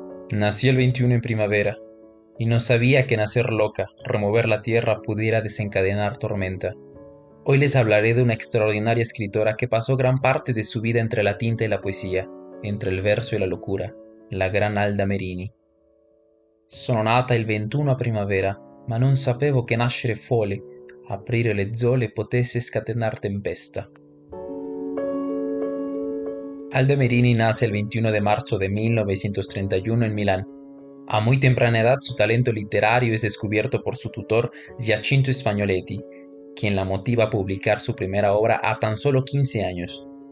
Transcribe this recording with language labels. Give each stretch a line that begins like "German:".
Spanish: Nací el 21 en primavera, y no sabía que nacer loca, remover la tierra, pudiera desencadenar tormenta. Hoy les hablaré de una extraordinaria escritora que pasó gran parte de su vida entre la tinta y la poesía, entre el verso y la locura, la gran Alda Merini.
Italian: Sono nata il 21 a primavera, ma non sapevo che nascere folle, aprire le zole potesse scatenar tempesta.
Spanish: Alda Merini nace el 21 de marzo de 1931 en Milán. A muy temprana edad, su talento literario es descubierto por su tutor Giacinto Spagnoletti, quien la motiva a publicar su primera obra a tan solo 15 años.